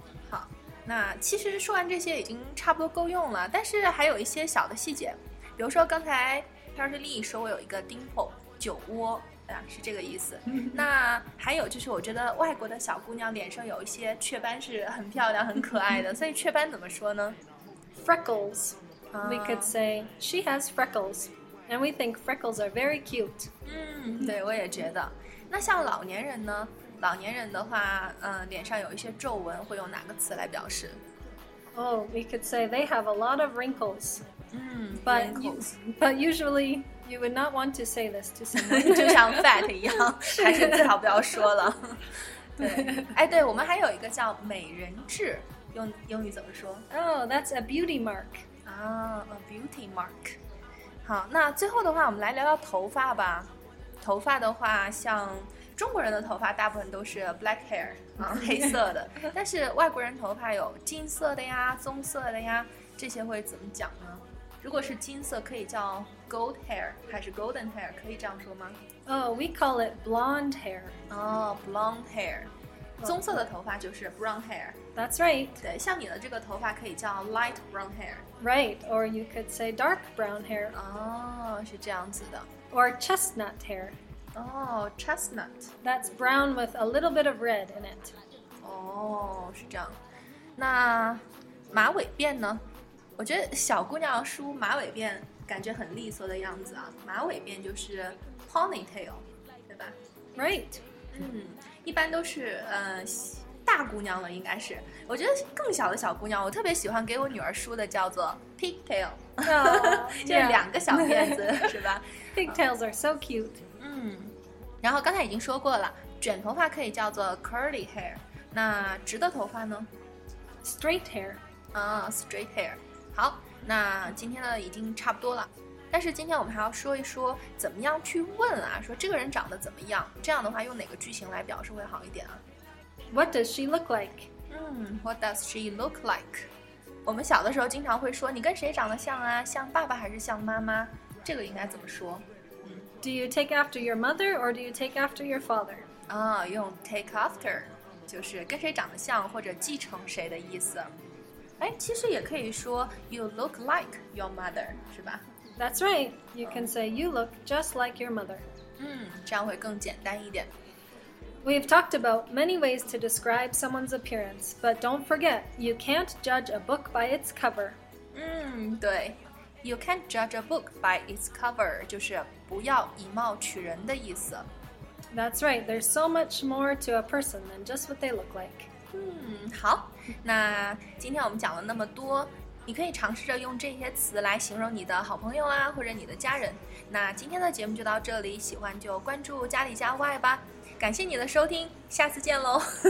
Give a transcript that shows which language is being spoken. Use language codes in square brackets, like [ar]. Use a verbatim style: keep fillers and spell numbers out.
[zh] 好，那其实说完这些已经差不多够用了，但是还有一些小的细节，比如说刚才 Charlie Lee 说我有一个 dimple 酒窝、啊、是这个意思那还有就是我觉得外国的小姑娘脸上有一些雀斑是很漂亮很可爱的所以雀斑怎么说呢？ [en] Freckles、uh, We could say she has freckles and we think freckles are very cute. [zh] 嗯，对，我也觉得。那像老年人呢？老年人的话、呃、脸上有一些皱纹会用哪个词来表示？ [en] Oh, we could say they have a lot of wrinkles. [zh] 嗯 [en] but, wrinkles. You, but usually you would not want to say this to someone. [zh] 就像 fat 一样还是最好不要说了对，哎，对，我们还有一个叫美人痣，用英语怎么说？ [en] Oh, that's a beauty mark. Ah, a beauty mark. [zh] 好，那最后的话我们来聊聊头发吧。头发的话，像中国人的头发大部分都是 black hair、啊、黑色的，但是外国人头发有金色的呀、棕色的呀，这些会怎么讲呢？如果是金色可以叫 gold hair 还是 golden hair， 可以这样说吗？ [en] Oh, we call it blonde hair. Oh, blonde hair. [zh] 棕色的头发就是 [en] brown hair. That's right. [zh] 对，像你的这个头发可以叫 light brown hair. [en] Right, or you could say dark brown hair. [zh] 哦，是这样子的。 [en] Or chestnut hair. Oh, chestnut. That's brown with a little bit of red in it. [zh] 哦，是这样。那马尾辫呢？我觉得小姑娘梳马尾辫感觉很利索的样子啊。马尾辫就是 ponytail， 对吧？ [en] Right. [zh] 嗯，一般都是呃大姑娘了，应该是。我觉得更小的小姑娘，我特别喜欢给我女儿梳的叫做 pigtail， 就是两个小辫子，是吧？ [en] Pigtails are so cute. [zh] 嗯，然后刚才已经说过了，卷头发可以叫做 curly hair。那直的头发呢？ [en] Straight hair. [zh] 啊、 [en] oh, straight hair. [zh] 好，那今天呢已经差不多了。但是今天我们还要说一说怎么样去问啊，说这个人长得怎么样？这样的话用哪个句型来表示会好一点啊 [en] ？What does she look like？嗯 ，What does she look like？ [zh] 我们小的时候经常会说你跟谁长得像啊？像爸爸还是像妈妈？这个应该怎么说？嗯 [en] ，Do you take after your mother or do you take after your father？ [zh] 啊，用 take after 就是跟谁长得像或者继承谁的意思。哎，其实也可以说 [en] you look like your mother， [zh] 是吧？ [en] That's right. You can say you look just like your mother. [zh] 嗯，这样会更简单一点。 [en] We've talked about many ways to describe someone's appearance, but don't forget, you can't judge a book by its cover. 嗯，对 ，You can't judge a book by its cover [zh] 就是不要以貌取人的意思。 [en] That's right. There's so much more to a person than just what they look like. [zh] 嗯，好，那今天我们讲了那么多。你可以尝试着用这些词来形容你的好朋友啊，或者你的家人。那今天的节目就到这里，喜欢就关注家里家外吧。感谢你的收听，下次见喽。